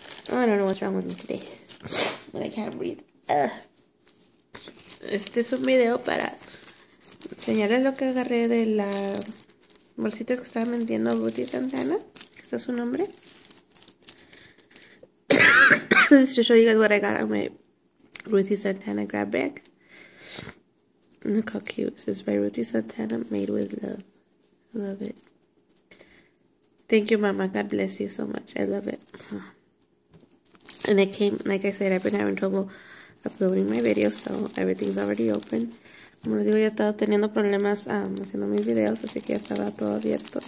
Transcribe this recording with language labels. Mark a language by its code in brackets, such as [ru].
[en] I don't know what's wrong with me today, but I can't breathe. [es] Este es un video para enseñarles lo que agarré de la bolsita que estaba vendiendo Ruthie Santana, que es su nombre. [en] Just to show you guys what I got on my Ruthie Santana grab bag. Look how cute. This is by Ruthie Santana, made with love. I love it. Thank you, Mama. God bless you so much. I love it. And it came, like I said, I've been having trouble uploading my videos, so everything's already open. [es] Como les digo, ya estaba teniendo problemas haciendo mis videos, así que ya estaba todo abierto.